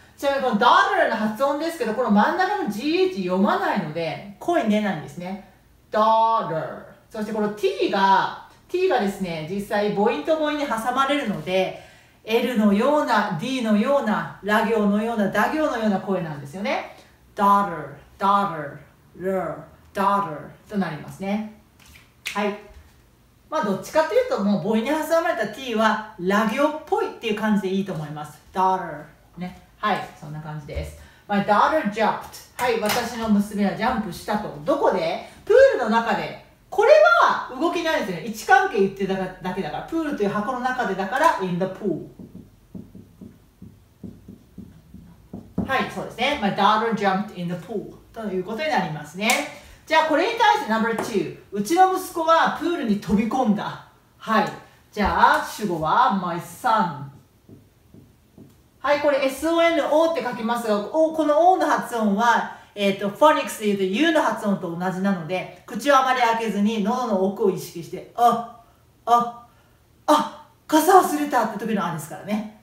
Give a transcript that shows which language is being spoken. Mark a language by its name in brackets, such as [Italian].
[Japanese] ちなみにこの daughter の発音ですけど、この真ん中の gh 読まないので声出ないんですね。 [English] daughter。 [Japanese] そしてこの t がですね、実際母音と母音に挟まれるので、 l のような、 d のような、ラ行のような、ダ行のような声なんですよね。 [English] daughter daughter ler daughter [Japanese] となりますね。はい、まあ、どっちかというと、もう母音に挟まれた t はラ行っぽいっていう感じでいいと思います。 daughter ね、はい、そんな感じです。 [English] my daughter jumped。 [Japanese] はい、私の娘はジャンプしたと。どこで？プールの中で。これは動きないですね。位置関係言ってただけだから、プールという箱の中で、だから [English] in the pool。 [Japanese] はい、そうですね。 [English] my daughter jumped in the pool [Japanese] ということになりますね。じゃあこれに対して No.2、 うちの息子はプールに飛び込んだ。はい、じゃあ主語は [English] My son。 [Japanese] はい、これ SON O って書きますが、 O、 この O の発音は、フォニックスで言うと U の発音と同じなので、口をあまり開けずに喉の奥を意識して、あ、傘忘れたって時のあですからね。